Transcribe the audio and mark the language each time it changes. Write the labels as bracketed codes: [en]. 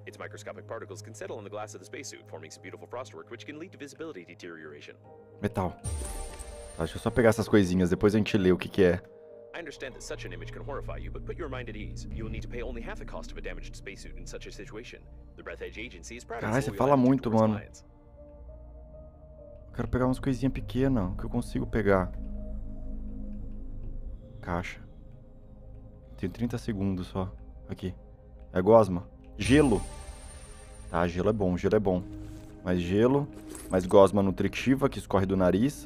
[en] Its microscopic particles can settle on the glass of the spacesuit, forming some beautiful frostwork, which can lead to visibility deterioration. Metal. [pt] Tá, deixa eu só pegar essas coisinhas, depois a gente lê o que é. [en] I understand that such an image can horrify you, but put your mind at ease. You will need to pay only half the cost of a damaged spacesuit in such a situation. The Breath Edge Agency is proud of its clients. [pt] Caralho, você fala muito, mano. Quero pegar umas coisinhas pequenas, o que eu consigo pegar? Caixa. Tenho 30 segundos só. Aqui. É gosma? Gelo. Tá, gelo é bom. Mais gelo, mais gosma nutritiva que escorre do nariz.